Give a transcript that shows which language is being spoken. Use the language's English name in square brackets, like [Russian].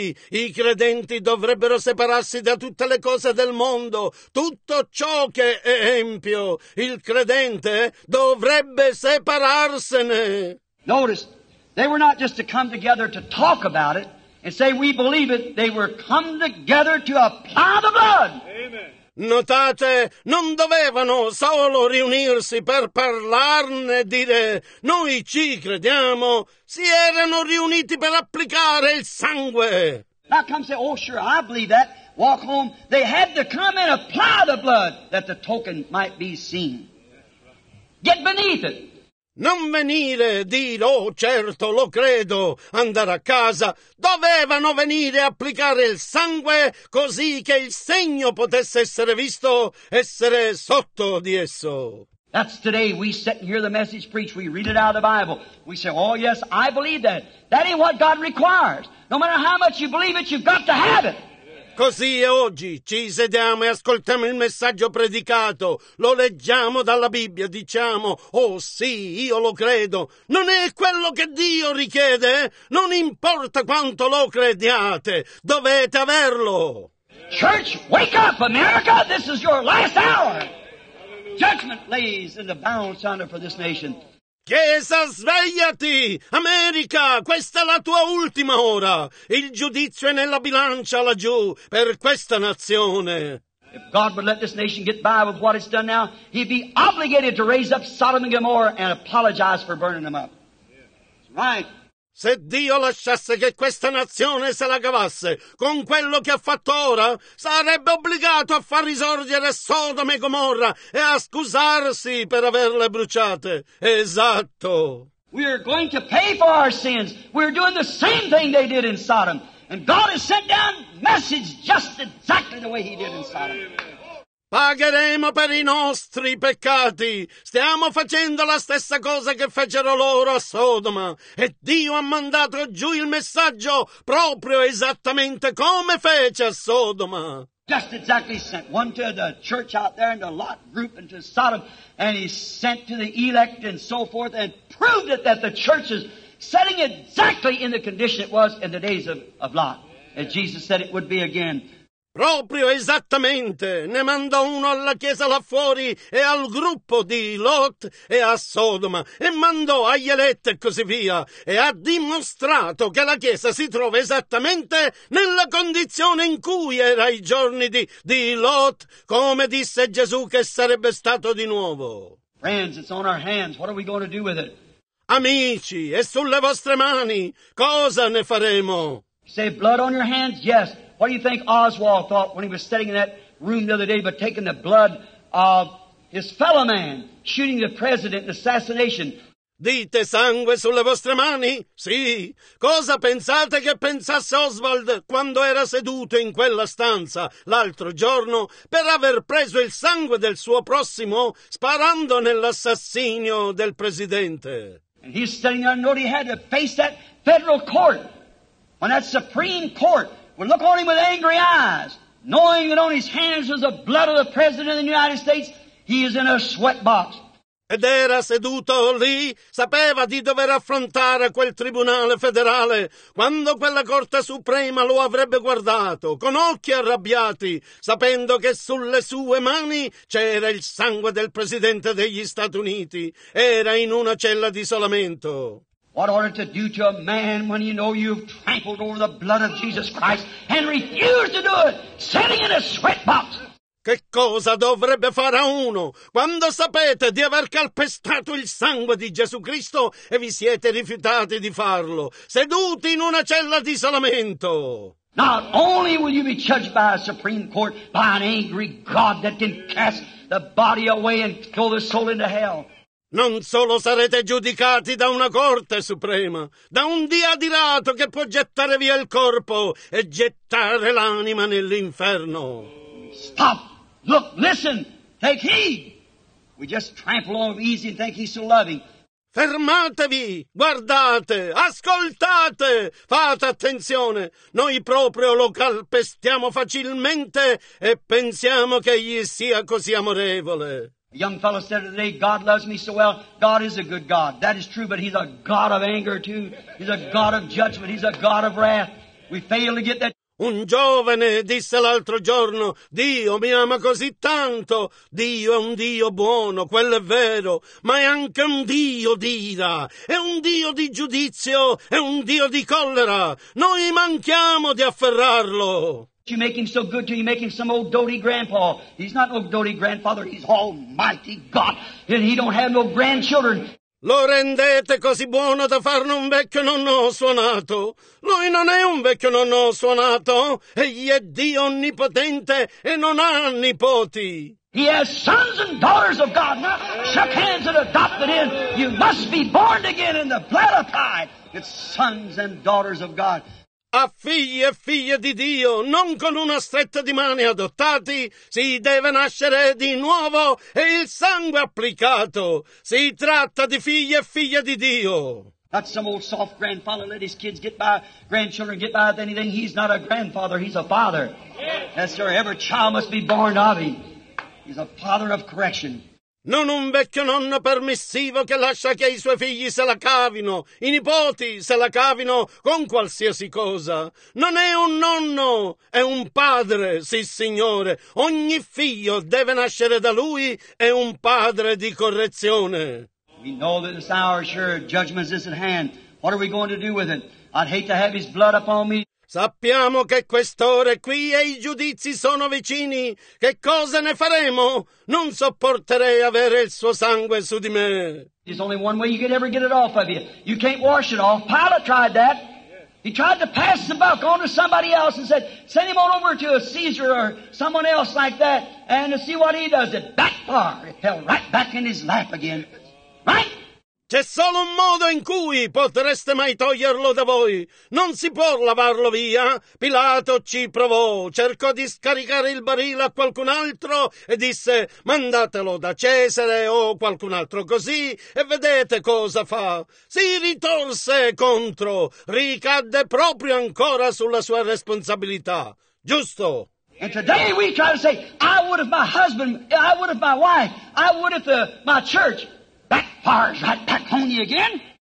[Italian] I credenti dovrebbero separarsi da tutte le cose del mondo, tutto ciò che è empio. Il credente dovrebbe separarsene. [English] Notice, they were not just to come together to talk about it and say we believe it. They were come together to apply the blood. Amen. [Italian] Notate, non dovevano solo riunirsi per parlarne e dire noi ci crediamo. Si erano riuniti per applicare il sangue. [English] Now come say, oh sure, I believe that. Walk home. They had to come and apply the blood that the token might be seen. Get beneath it. [Italian] Non venire e dire, oh certo, lo credo, andare a casa. Dovevano venire a applicare il sangue così che il segno potesse essere visto, essere sotto di esso. [English] That's today we sit and hear the message preached. We read it out of the Bible. We say, oh yes, I believe that. That ain't what God requires. No matter how much you believe it, you've got to have it. [Italian] Così oggi ci sediamo e ascoltiamo il messaggio predicato, lo leggiamo dalla Bibbia, diciamo, oh sì, io lo credo. Non è quello che Dio richiede, non importa quanto lo crediate, dovete averlo. [English] Church, wake up, America, this is your last hour. Judgment lays in the balance honor for this nation. [Italian] Chiesa, svegliati! America, questa è la tua ultima ora! Il giudizio è nella bilancia laggiù, per questa nazione! [English] If God would let this nation get by with what it's done now, he'd be obligated to raise up Sodom and Gomorrah and apologize for burning them up. Right. [Italian] Se Dio lasciasse che questa nazione se la cavasse con quello che ha fatto ora, sarebbe obbligato a far risorgere Sodoma e Gomorra e a scusarsi per averle bruciate. Esatto. [English] We are going to pay for our sins. We are doing the same thing they did in Sodom. And God has sent down message just exactly the way he did in Sodom. [Italian] Pagheremo per i nostri peccati. Stiamo facendo la stessa cosa che fecero loro a Sodoma. E Dio ha mandato giù il messaggio proprio esattamente come fece a Sodoma. [English] Just exactly sent one to the church out there and the Lot group and to Sodom. And he sent to the elect and so forth and proved it that the church is setting exactly in the condition it was in the days of Lot. And Jesus said it would be again. [Italian] Proprio esattamente, ne mandò uno alla chiesa là fuori e al gruppo di Lot e a Sodoma, e mandò agli eletti e così via, e ha dimostrato che la chiesa si trova esattamente nella condizione in cui era ai giorni di Lot, come disse Gesù che sarebbe stato di nuovo. [English] Friends, it's on our hands. What are we going to do with it? [Italian] Amici, è sulle vostre mani. Cosa ne faremo? [English] Say blood on your hands? Yes. What do you think Oswald thought when he was sitting in that room the other day but taking the blood of his fellow man, shooting the president in assassination? [Italian] Dite sangue sulle vostre mani? Sì. Cosa pensate che pensasse Oswald quando era seduto in quella stanza l'altro giorno per aver preso il sangue del suo prossimo sparando nell'assassinio del presidente? [English] And he's sitting there and knowing he had to face that federal court. When that Supreme Court would look on him with angry eyes, knowing that on his hands was the blood of the President of the United States, he is in a sweat box. [Italian] Ed era seduto lì, sapeva di dover affrontare quel tribunale federale, quando quella Corte Suprema lo avrebbe guardato, con occhi arrabbiati, sapendo che sulle sue mani c'era il sangue del Presidente degli Stati Uniti. Era in una cella di isolamento. [English] What ought it to do to a man when you know you've trampled over the blood of Jesus Christ and refused to do it, sitting in a sweat box? [Italian] Che cosa dovrebbe fare a uno quando sapete di aver calpestato il sangue di Gesù Cristo e vi siete rifiutati di farlo, seduti in una cella di isolamento? [English] Not only will you be judged by a Supreme Court, by an angry God that can cast the body away and throw the soul into hell. [Italian] Non solo sarete giudicati da una corte suprema, da un Dio adirato che può gettare via il corpo e gettare l'anima nell'inferno. [English] Stop! Look, listen! Take heed! We just trample on him easy and think he's so loving. [Italian] Fermatevi! Guardate! Ascoltate! Fate attenzione! Noi proprio lo calpestiamo facilmente e pensiamo che egli sia così amorevole. [English] A young fellow said today, God loves me so well. God is a good God. That is true, but he's a God of anger too. He's a God of judgment. He's a God of wrath. We fail to get that. [Italian] Un giovane disse l'altro giorno, Dio mi ama così tanto. Dio è un Dio buono, quello è vero. Ma è anche un Dio di ira. È un Dio di giudizio. È un Dio di collera. Noi manchiamo di afferrarlo. [English] You make him so good till you make him some old doty grandpa. He's not no doty grandfather, he's almighty God, and he don't have no grandchildren. [Italian] Lo rendete così buono da farne un vecchio nonno suonato. Lui non è un vecchio nonno suonato. Egli è Dio onnipotente e non ha nipoti. [English] He has sons and daughters of God. Now shook hands and adopted him. You must be born again in the blood of God. It's sons and daughters of God. [Italian] A figli e figlie di Dio, non con una stretta di mani adottati, si deve nascere di nuovo e il sangue applicato. Si tratta di figli e figlie di Dio. [English] That's some old soft grandfather, let his kids get by, grandchildren get by with anything. He's not a grandfather, he's a father. Yes, sir, every child must be born of him. He's a father of correction. [Italian] Non un vecchio nonno permissivo che lascia che i suoi figli se la cavino, i nipoti se la cavino con qualsiasi cosa. Non è un nonno, è un padre, sì signore. Ogni figlio deve nascere da lui, è un padre di correzione. [English] We know that this hour, sure, judgment is at hand. What are we going to do with it? I'd hate to have his blood upon me. [Italian] Sappiamo che quest'ora è qui e i giudizi sono vicini. Che cosa ne faremo? Non sopporterei avere il suo sangue su di me. [English] There's only one way you could ever get it off of you. You can't wash it off. Pilate tried that. He tried to pass the buck on to somebody else and said, send him on over to a Caesar or someone else like that and to see what he does. It backfired. It fell right back in his lap again. Right? [Italian] C'è solo un modo in cui potreste mai toglierlo da voi. Non si può lavarlo via. Pilato ci provò. Cercò di scaricare il barile a qualcun altro e disse, mandatelo da Cesare o qualcun altro così e vedete cosa fa. Si ritorse contro. Ricadde proprio ancora sulla sua responsabilità. Giusto? [English] And today we try to say, I would if my husband, I would if my wife, I would if my church... Backfires right back on you again.